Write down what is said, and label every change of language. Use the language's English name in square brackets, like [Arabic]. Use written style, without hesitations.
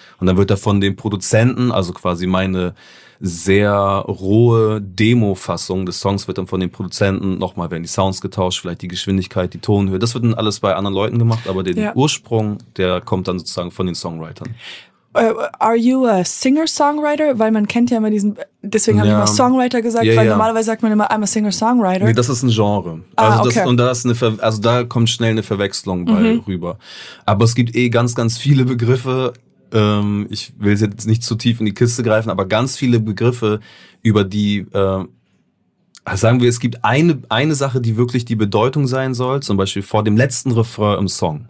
[German] Und dann wird er von den Produzenten, also quasi meine sehr rohe Demo-Fassung des Songs, wird dann von den Produzenten nochmal, werden die Sounds getauscht, vielleicht die Geschwindigkeit, die Tonhöhe. Das wird dann alles bei anderen Leuten gemacht, aber den, ja, Ursprung, der kommt dann sozusagen von den Songwritern. [English] Are you a singer-songwriter? [German] Weil man kennt ja immer diesen, deswegen habe, ja, ich immer Songwriter gesagt, ja, weil, ja, normalerweise sagt man immer, [English] I'm a singer-songwriter. [German] Nee, das ist ein Genre. Also okay. Also da kommt schnell eine Verwechslung bei, mhm, rüber. Aber es gibt ganz, ganz viele Begriffe. Ich will jetzt nicht zu tief in die Kiste greifen, aber ganz viele Begriffe, über die, sagen wir, es gibt eine Sache, die wirklich die Bedeutung sein soll, zum Beispiel vor dem letzten Refrain im Song.